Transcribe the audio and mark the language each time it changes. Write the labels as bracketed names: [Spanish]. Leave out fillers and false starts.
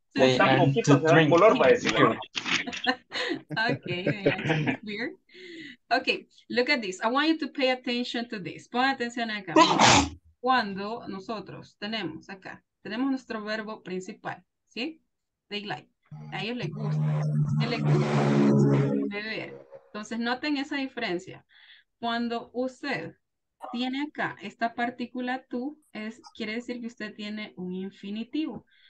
[Spanish] Con tan poquitos de color va a decir. [English] Okay, they like to drink beer. Okay, look at this. I want you to pay attention to this. [Spanish] Pon atención acá. Cuando nosotros tenemos acá, tenemos nuestro verbo principal, ¿sí? [English] They like. [Spanish] A ellos les gusta. ¿Qué les gusta? Beber. Entonces, noten esa diferencia. Cuando usted tiene acá esta partícula tú, es, quiere decir que usted tiene un infinitivo.